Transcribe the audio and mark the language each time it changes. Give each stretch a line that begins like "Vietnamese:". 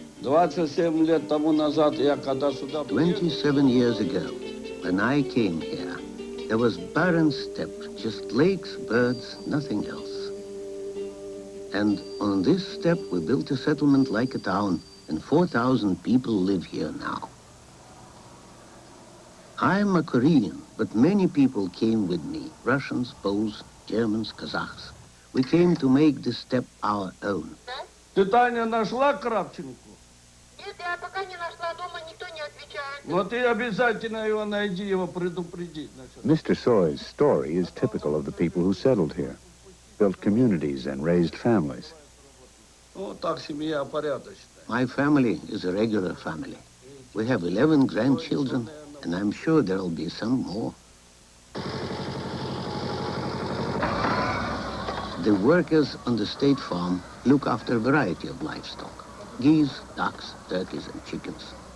English: 27 years ago, when I came here, there was barren steppe, just lakes, birds, nothing else. And on this steppe, we built a settlement like a town, and 4,000 people live here now. I'm a Korean, but many people came with me, Russians, Poles, Germans, Kazakhs. We came to make this step our own.
Russian: Ты Таня нашла Кравченко? Нет, я пока не нашла, дома никто не отвечает. Но ты обязательно его найди, его предупреди.
English: Mr. Soy's story is typical of the people who settled here, built communities and raised families.
Russian: Вот так семья порядочная.
English: My family is a regular family. We have 11 grandchildren, and I'm sure there'll be some more. The workers on the state farm look after a variety of livestock, geese, ducks, turkeys, and chickens.